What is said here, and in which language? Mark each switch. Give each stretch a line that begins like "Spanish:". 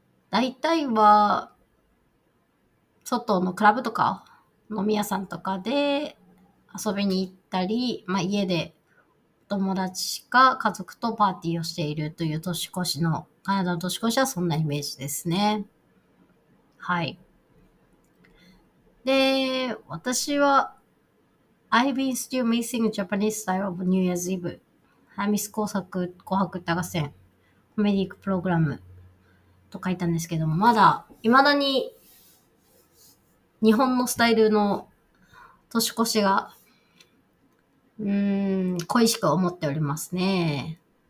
Japanese: 大体は、外のクラブとか、飲み屋さんとかで遊びに行ったり、家で友達か家族とパーティーをしているという年越しの、カナダの年越しはそんなイメージですね。はい。で、私は、
English: I've been still missing Japanese style of New Year's Eve.
Japanese: ハミス工作、紅白歌合戦、コメディークプログラムと書いたんですけども、まだ、未だに、日本のスタイルの年越しが、恋しく思っておりますね。